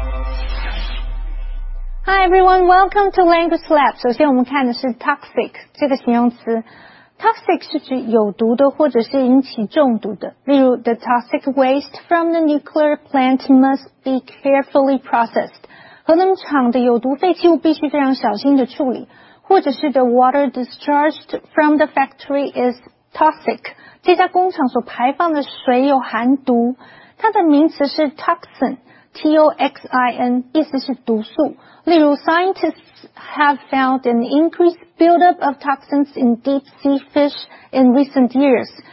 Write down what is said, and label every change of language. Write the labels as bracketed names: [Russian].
[English] Hi everyone, welcome to Language Lab. [Chinese] 首先我们看的是 toxic 这个形容词。Toxic 是指有毒的或者是引起中毒的。例如 [English] ,the toxic waste from the nuclear plant must be carefully processed. [Chinese] 核能厂的有毒废弃物必须非常小心的处理。或者是 [English] the water discharged from the factory is toxic. [Chinese] 这家工厂所排放的水有含毒。它的名词是 toxin。T-O-X-I-N, 意思是毒素。例如 [English] ,scientists have found an increased buildup of toxins in deep sea fish in recent years.